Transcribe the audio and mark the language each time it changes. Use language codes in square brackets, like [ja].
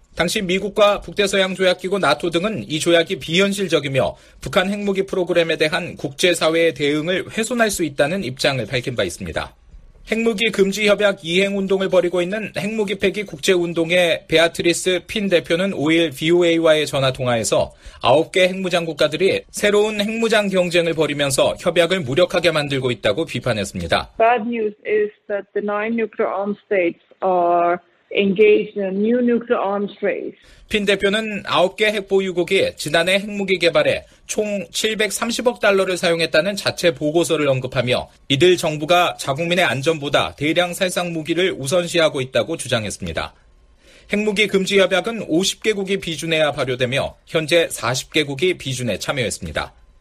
[ko] 당시 미국과 북대서양조약기구 나토 등은 이 조약이 비현실적이며 북한 핵무기 프로그램에 대한 국제사회의 대응을 훼손할 수 있다는 입장을 밝힌 바 있습니다. 핵무기 금지협약 이행운동을 벌이고 있는 핵무기 폐기 국제운동의 베아트리스 핀 대표는 5일 VOA와의 전화통화에서 9개 핵무장 국가들이 새로운 핵무장 경쟁을 벌이면서 협약을 무력하게 만들고 있다고 비판했습니다. [en] Bad news is that the 9 nuclear armed states are engaged in a new nuclear arms race. [ko] 핀 대표는 9개 핵 보유국이 지난해 핵무기 개발에 총 730억 달러를 사용했다는 자체 보고서를 언급하며 이들 정부가 자국민의 안전보다 대량 살상 무기를 우선시하고 있다고 주장했습니다. 핵무기 금지 협약은 50개국이 비준해야 발효되며 현재 40개국이 비준에 참여했습니다.